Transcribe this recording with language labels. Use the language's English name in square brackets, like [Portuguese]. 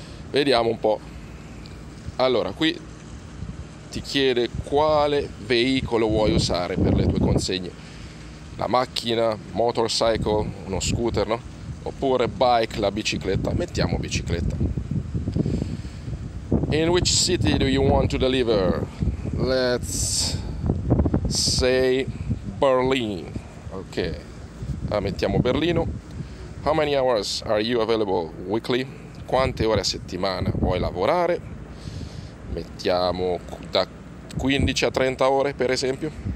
[Italian] Vediamo un po'. Allora, qui ti chiede quale veicolo vuoi usare per le tue consegne. La macchina, motorcycle, uno scooter, no? Oppure bike, la bicicletta. Mettiamo bicicletta. [English] In which city do you want to deliver? Let's say Berlin. Ok. [Italian] Mettiamo Berlino. [English] How many hours are you available weekly? [Italian] Quante ore a settimana vuoi lavorare? Mettiamo da 15 a 30 ore, per esempio.